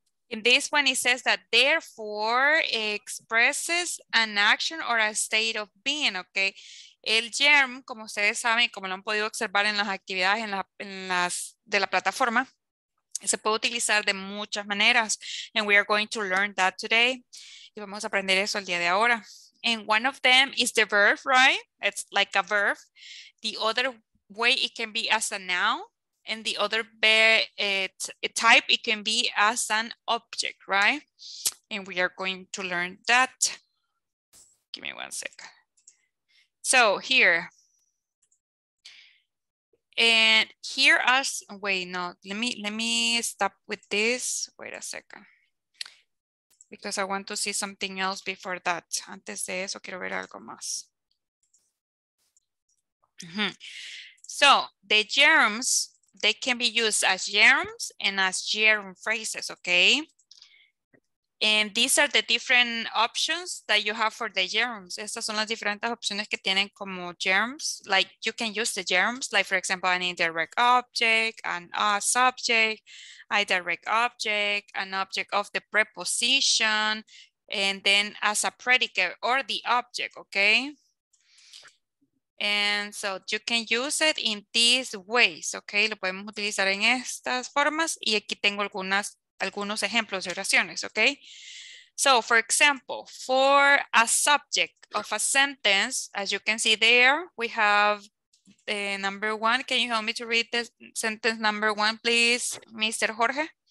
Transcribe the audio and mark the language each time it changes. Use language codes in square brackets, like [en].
[en] In this one, it says that therefore expresses an action or a state of being, okay? [es] El germ, como ustedes saben, como lo han podido observar en las actividades de la plataforma, se puede utilizar de muchas maneras. [en] And we are going to learn that today. [es] Y vamos a aprender eso el día de ahora. [en] And one of them is the verb, right? It's like a verb. The other way it can be as a noun. And the other type, it can be as an object, right? And we are going to learn that. Give me one second. So here. And here us, let me stop with this. Wait a second. Because I want to see something else before that. [es] Antes de eso, quiero ver algo más. [en] Mm-hmm. So the gerunds, they can be used as gerunds and as gerund phrases, okay? And these are the different options that you have for the gerunds. [es] Estas son las diferentes opciones que tienen como gerunds. [en] Like you can use the gerunds, like for example, an indirect object, an a subject, a direct object, an object of the preposition, and then as a predicate or the object, okay? And so you can use it in these ways, okay? [es] Lo podemos utilizar en estas formas y aquí tengo algunas algunos ejemplos de oraciones, okay? [en] So for example, for a subject of a sentence, as you can see there, we have the number one. Can you help me to read the sentence number one, please, Mr. Jorge?